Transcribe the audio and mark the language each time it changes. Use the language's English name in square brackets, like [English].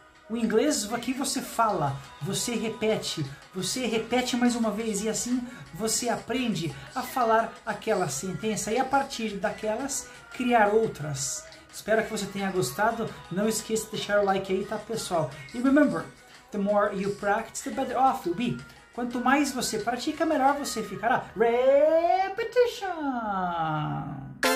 [Portuguese] O inglês, aqui você fala, você repete mais uma vez e assim você aprende a falar aquela sentença e a partir daquelas, criar outras. Espero que você tenha gostado. Não esqueça de deixar o like aí, tá, pessoal? [English] E remember, the more you practice, the better off you'll be. [Portuguese] Quanto mais você pratica, melhor você ficará. Repetition!